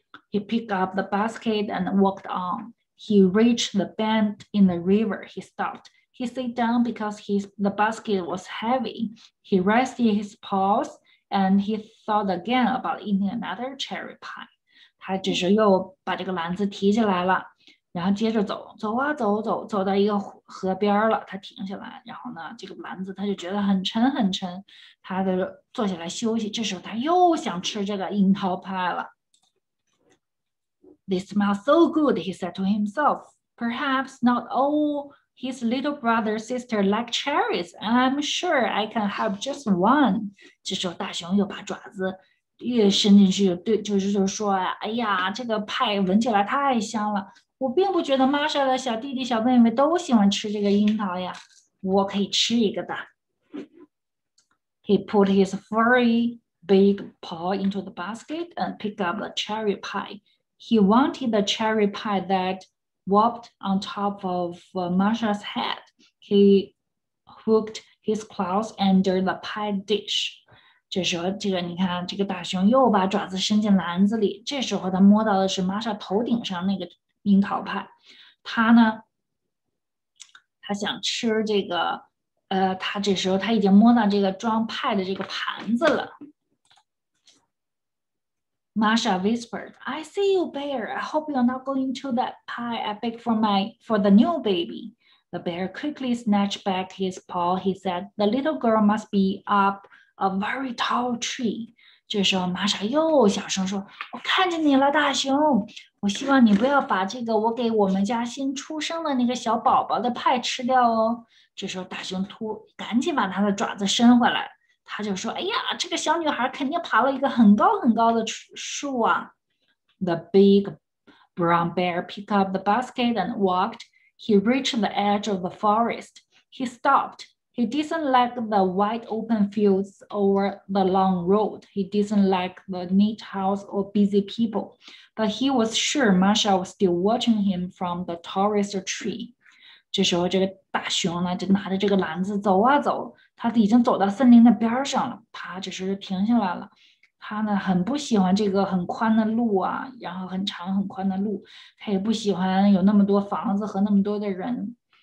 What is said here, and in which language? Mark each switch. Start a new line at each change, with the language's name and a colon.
English: He picked up the basket and walked on. He reached the bend in the river. He stopped. He sat down because the basket was heavy. He rested his paws and he thought again about eating another cherry pie.
Chinese: 他只是又把这个篮子提起来了。然后接着走，走啊走，走到一个河边了，他停下来，然后呢，这个篮子他就觉得很沉很沉，他就坐下来休息。这时候他又想吃这个樱桃派了。
English: They smell so good, he said to himself. Perhaps not all his little brother sister like cherries. I'm sure I can have just one.
Chinese: 这时候大熊又把爪子越伸进去，对，就说呀，哎呀，这个派闻起来太香了。我并不觉得 Masha 的小弟弟小妹妹都喜欢吃这个樱桃呀，我可以吃一个的。
English: He put his furry big paw into the basket and picked up the cherry pie. He wanted the cherry pie that whopped on top of Masha's head. He hooked his claws under the pie dish.
Chinese: 这时候，这个你看，这个大熊又把爪子伸进篮子里。这时候，他摸到的是 Masha 头顶上那个。樱桃派，他呢？他想吃这个，他这时候他已经摸到这个装派的这个盘子了。
English: Masha whispered, I see you, bear. I hope you're not going to that pie I baked for the new baby. The bear quickly snatched back his paw. He said, the little girl must be up a very tall tree.
Chinese: 这时候 Masha 又小声说，我看见你了，大熊。我希望你不要把这个我给我们家新出生的那个小宝宝的派吃掉哦。这时候大熊突赶紧把他的爪子伸回来。他就说，哎呀，这个小女孩肯定爬了一个很高很高的树啊。
English: The big brown bear picked up the basket and walked. He reached the edge of the forest. He stopped. He didn't like the wide open fields or the long road. He didn't like the neat house or busy people. But he was sure Masha was still watching him from the tallest tree.
Chinese: 这时候这个大熊呢，就拿着这个篮子走啊走。他已经走到森林的边上了，他只是停下来了。他呢很不喜欢这个很宽的路啊，然后很长很宽的路，他也不喜欢有那么多房子和那么多的人。